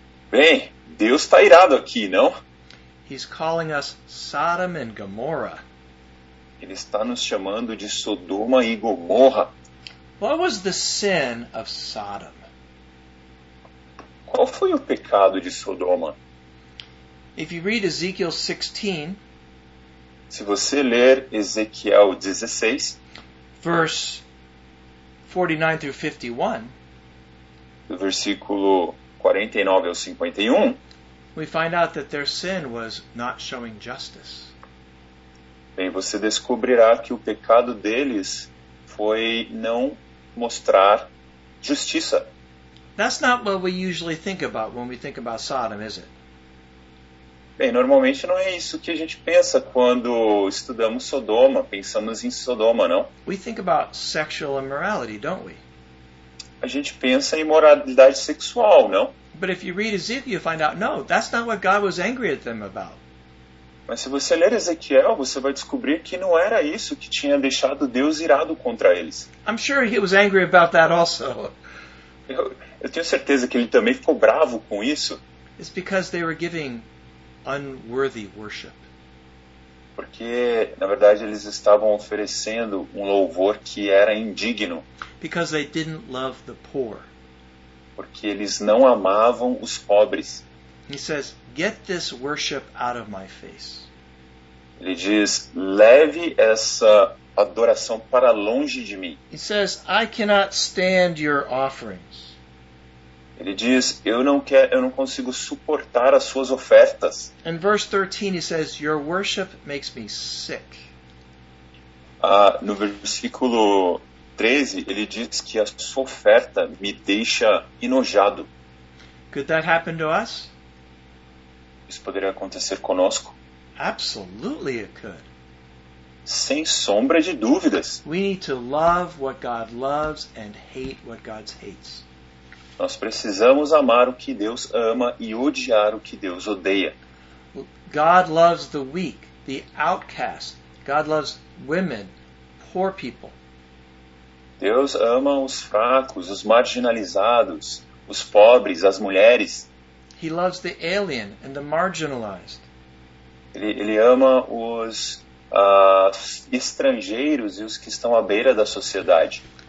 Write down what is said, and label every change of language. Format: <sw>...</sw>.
<pt>Bem, Deus está irado aqui, não?</pt> <en>He's calling us Sodom and Gomorrah.</en> <pt>Ele está nos chamando de Sodoma e Gomorra.</pt> <en>What was the sin of Sodom?</en> <pt>Qual foi o pecado de Sodoma?</pt> <en>If you read Ezekiel 16,</en> <pt>se você ler Ezequiel 16,</pt> <en>verse 49 through 51,</en> <pt>do versículo 49 ao 51,</pt> <en>we find out that their sin was not showing justice.</en> <pt>Bem, você descobrirá que o pecado deles foi não mostrar justiça.</pt> <en>That's not what we usually think about when we think about Sodom, is it?</en> <pt>Bem, normalmente não é isso que a gente pensa quando estudamos Sodoma, pensamos em Sodoma, não?</pt> <en>We think about sexual immorality, don't we?</en> <pt>A gente pensa em imoralidade sexual, não?</pt> <en>But if you read Ezekiel, you find out, no, that's not what God was angry at them about.</en> <pt>Mas se você ler Ezequiel, você vai descobrir que não era isso que tinha deixado Deus irado contra eles.</pt> <en>I'm sure he was angry about that also.</en> <pt>Eu tenho certeza que ele também ficou bravo com isso.</pt> <en>It's because they were giving unworthy worship.</en> <pt>Porque, na verdade, eles estavam oferecendo um louvor que era indigno.</pt> <en>Because they didn't love the poor.</en> <pt>Porque eles não amavam os pobres.</pt> <en>He says, get this worship out of my face.</en> <pt>Ele diz, leve essa adoração para longe de mim.</pt> <en>He says, I cannot stand your offerings.</en> <pt>Ele diz, eu não consigo suportar as suas ofertas.</pt> <en>In verse 13 he says, your worship makes me sick.</en> <pt>No versículo 13 ele diz que a sua oferta me deixa enojado.</pt> <en>Could that happen to us?</en> <pt>Isso poderia acontecer conosco?</pt> <en>Absolutely it could.</en> <pt>Sem sombra de dúvidas.</pt> <en>We need to love what God loves and hate what God hates.</en> <pt>Nós precisamos amar o que Deus ama e odiar o que Deus odeia.</pt> <en>God loves the weak, the outcast. God loves women, poor people.</en> <pt>Deus ama os fracos, os marginalizados, os pobres, as mulheres.</pt> <en>He loves the alien and the marginalized.</en> <pt>Ele ama os estrangeiros e os que estão à beira da sociedade.</pt>